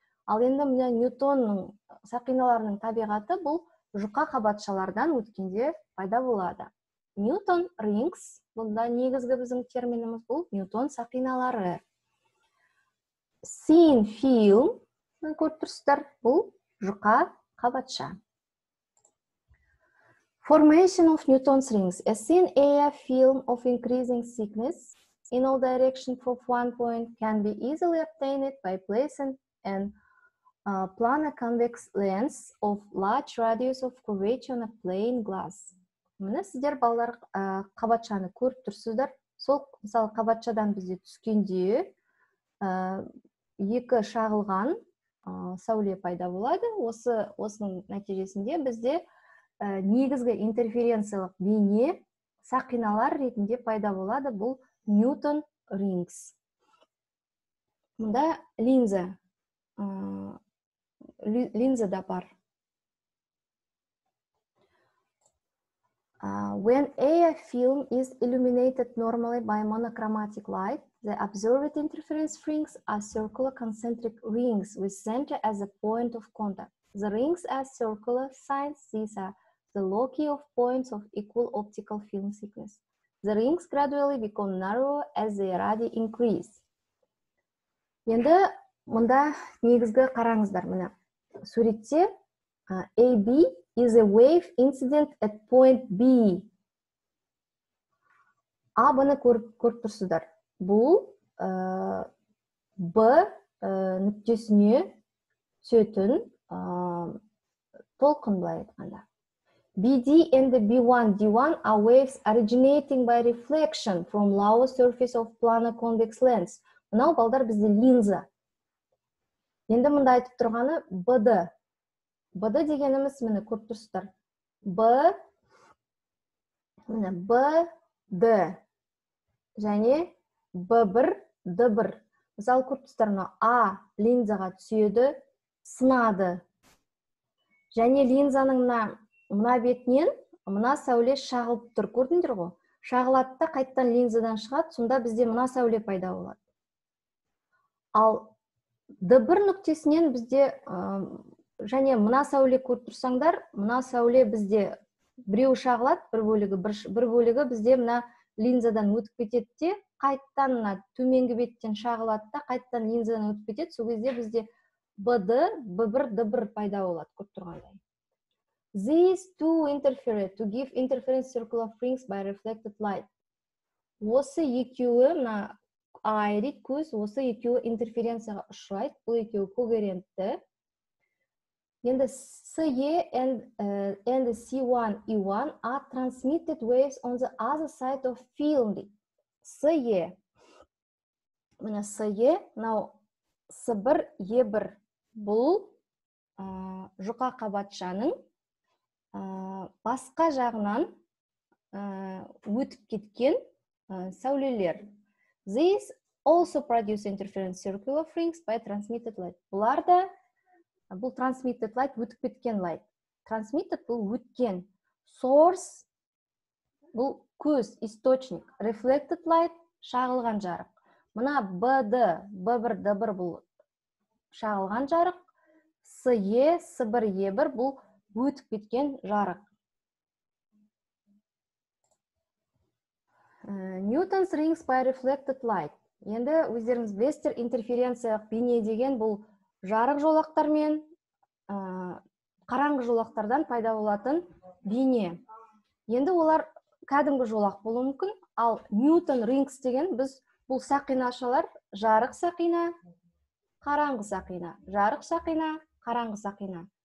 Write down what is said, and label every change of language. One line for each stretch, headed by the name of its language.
Kazakh: Ал енді мына Ньютонның сақиналарының табиғаты бұл жұқа қабатшалардан өткенде пайда болады. Ньютон рингс, бұнда негізгі біздің терминіміз бұл Ньютон сақиналары. Seen film, көріп тұрсыздар, бұл жұқа қабатша.
English: Formation of Newton's rings. A thin air film of increasing thickness in all directions from one point can be easily obtained by placing an plane convex lens of large radius of curvature on a plain glass.
Kazakh: Міне, сіздер балалар қабатшаны көріп тұрсыздар. Сол, мысалы, қабатшадан бізде түскенде екі шағылған сәуле пайда болады. Осының нәтижесінде бізде негізгі интерференциялық бейне сақиналар ретінде пайда болады. Бұл Ньютон рингс. Мұнда линза. Линза да бар.
English: When air film is illuminated normally by monochromatic light, the observed interference rings are circular concentric rings with center as a point of contact. The rings are circular signs. These are the loci of points of equal optical film thickness. The rings gradually become narrower as the radii increase.
Kazakh: Енді мұнда негізгі қараңыздар мына. Суретте
English: AB is a wave incident at point B.
Kazakh: А бұны көріп тұрсыздар. Бұл Б нүктесіне түсетін толқын былай айтқанда.
English: BD and the B1, D1 are waves originating by reflection from lower surface of planar convex lens.
Kazakh: Мынау балдар бізде линза. Енді мұнда айтып тұрғаны БД. БД дегеніміз міне көріп тұрсыздар. Б, міне Б, Д. Және Б1, Д1. Мысалы көріп тұрсыздар, мына А линзаға түседі, сынады. Және линзаның мына бетінен мына сәуле шағылып тұр. Көрдіңдер ғой? Шағылады да қайтадан линзадан шығады, сонда бізде мына сәуле пайда болады. Ал Д1 нүктесінен бізде, және мына сәуле көріп тұрсаңдар, мына сәуле бізде біреу шағылады, бір бөлігі бізде мына линзадан өтіп кетеді де, қайттан мына төменгі беттен шағылады да, қайттан линзадан өтіп кетеді, сол кезде бізде БД, Б1, Д1 пайда болады, көріп тұрғандай.
English: These two interfere to give interference circle of rings by reflected light.
Kazakh: Осы екеуі, мына айрит көз, осы екеуі интерференцияға ұшырайды. Бұл екеуі когерентті. Енді
English: CE and C1, E1 are transmitted waves on the other side of field. CE.
Kazakh: Мына CE, мынау C1, E1. Бұл жұқа қабатшаның басқа жағынан өтіп кеткен сәулелер.
English: These also produce interference circular rings by transmitted light.
Kazakh: Бұл трансмиттед лайт, өтіп кеткен лайт. Transmitted был өткен. Source был көз, источник.
English: Reflected light
Kazakh: шағылған жарық. Мына БД, Б1, Д1 был шағылған жарық. СЕ, С1, Е1 был өтіп кеткен жарық.
English: Newton's rings by reflected light.
Kazakh: Енді өздеріңіз білесіздер, интерференциялық бейне деген бұл жарық жолақтар мен қараңғы жолақтардан пайда болатын бейне. Енді олар кәдімгі жолақ болуы мүмкін, ал Newton rings деген біз бұл сақинашалар жарық сақина, қараңғы сақина, жарық сақина, қараңғы сақина.